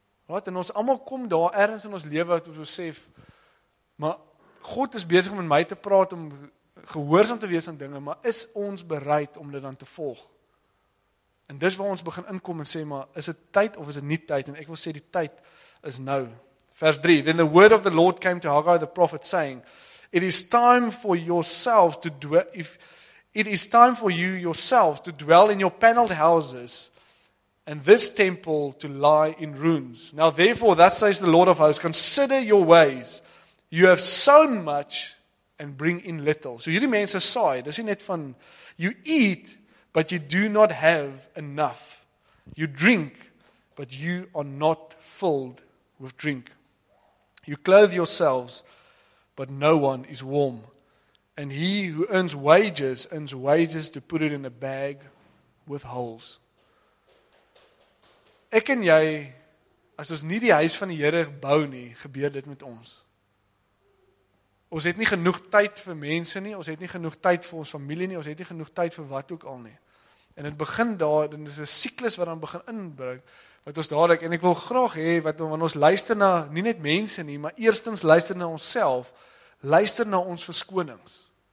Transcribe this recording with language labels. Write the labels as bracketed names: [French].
[Afrikaans] Right, en ons allemaal kom daar ergens in ons lewe, wat ons sê, maar God is besig met my te praat om gehoorsaam te wees aan dinge, maar is ons bereid om dit dan te volg? En dis waar ons begin inkom en sê, maar is dit tyd of is dit nie tyd? En ek wil sê, die tyd is nou. Vers 3, [English] then the word of the Lord came to Haggai the prophet saying, it is time for you yourself to dwell in your paneled houses and this temple to lie in ruins. Now therefore, thus says the Lord of hosts, consider your ways. You have sown much and bring in little. [Afrikaans] So hierdie mense saai, dis nie net van, [English] you eat, but you do not have enough. You drink, but you are not filled with drink. You clothe yourselves, but no one is warm. And he who earns wages to put it in a bag with holes. [Afrikaans] Ek en jy, as ons nie die huis van die Here bou nie, gebeur dit met ons. Ons het nie genoeg tyd vir mense nie, ons het nie genoeg tyd vir ons familie nie, ons het nie genoeg tyd vir wat ook al nie. En het begin daar, en dit is 'n siklus wat dan begin inbreek, wat ons dadelik, en ek wil graag hê, wat ons luister na, nie net mense nie, maar eerstens luister na onsself, luister na ons verskonings.